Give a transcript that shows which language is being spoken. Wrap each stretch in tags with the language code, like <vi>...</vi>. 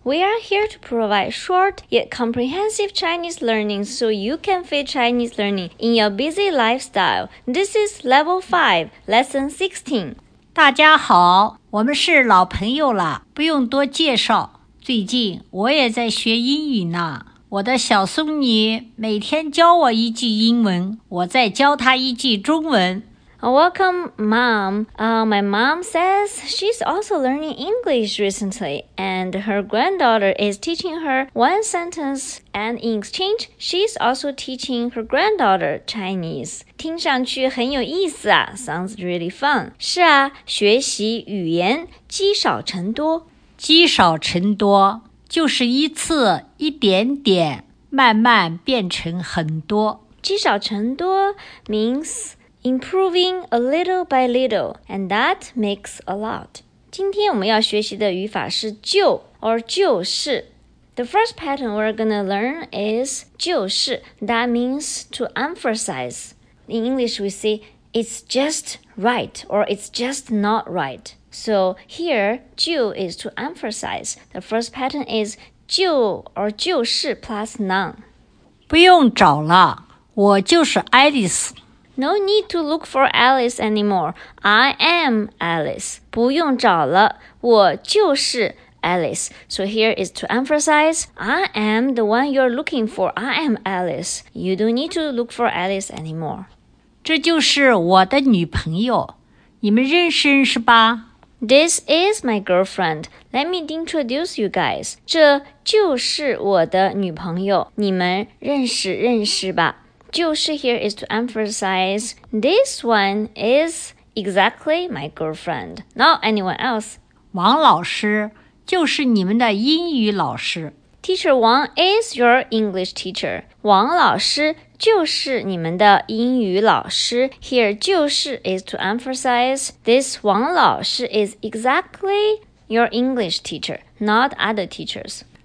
<en>We are here to provide short yet comprehensive Chinese learning so you can fit Chinese learning in your busy lifestyle. This is Level 5, Lesson 16.</en> <zh>大家好，我们是老朋友了，不用多介绍。最近我也在学英语呢。我的小孙女每天教我一句英文，我再教她一句中文。</zh> <en>Welcome, Mom. My mom says she's also learning English recently, and her granddaughter is teaching her one sentence, and in exchange, she's also teaching her granddaughter Chinese.</en> <zh>听上去很有意思啊</zh> <en>sounds really fun.</en> <zh>是啊，学习语言，积少成多。积少成多，就是一次一点点，慢慢变成很多。</zh> <en>积少成多 means... Improving a little by little, and that makes a lot.</en> <zh>今天我们要学习的语法是就 or 就是。</zh> <en>The first pattern we're gonna learn is 就是 That means to emphasize. In English, we say it's just right or it's just not right. So here, 就 is to emphasize. The first pattern is 就 or 就是 plus 能。</en> <zh>不用找了，我就是 Alice.</zh> <en>No need to look for Alice anymore. I am Alice.</en> <zh>不用找了，我就是 Alice.</zh> <en>So here is to emphasize, I am the one you're looking for. I am Alice. You don't need to look for Alice anymore.</en> <zh>这就是我的女朋友，你们认识认识吧。</zh> <en>This is my girlfriend. Let me introduce you guys.</en> <zh>这就是我的女朋友，你们认识认识吧。</zh> <en>就是 here is to emphasize, this one is exactly my girlfriend, not anyone else.</en> <zh>王老师就是你们的英语老师。</zh> <en>Teacher Wang is your English teacher.</en> <zh>王老师就是你们的英语老师。</zh> <en>Here 就是 is to emphasize, this 王老师 is exactly your English teacher, not other teachers.</en>